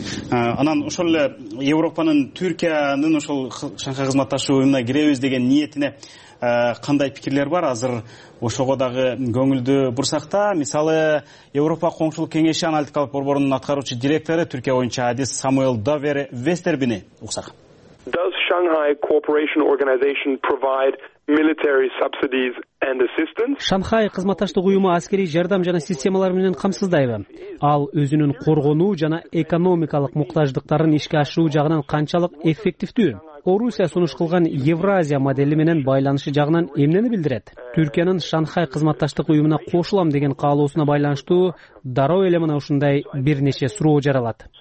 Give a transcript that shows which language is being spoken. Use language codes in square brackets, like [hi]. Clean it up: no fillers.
[ky] Анан ошол эле Европанын Түркиянын ошол Шанхай кызматташ уюмуна киребиз деген ниетине кандай пикирлер бар? Азыр ошого дагы көңүлдү бурсак да, мисалы Европа коңшулук кеңеши аналитикалык борборунун аткаруучу директору Түркия боюнча адис Самуэль Давер Вестербини уксак. [en] Does Shanghai Cooperation Organization provide military subsidies and assistance? [ky] Шанхай кызматташтык уюму аскерий жардам жана системалар менен камсыздайбы? Ал өзүнүн коргонуу жана экономикалык муктаждыктарын ишке ашыруу жагынан канчалык эффективдүү? Орусия сунуш кылган Евразия модели менен байланышы жагынан эмнени билдирет? Түркиянын Шанхай кызматташтык уюмуна кошулам деген каалоосуна байланыштуу дароо эле мына ушундай бир нече суроо жаралат.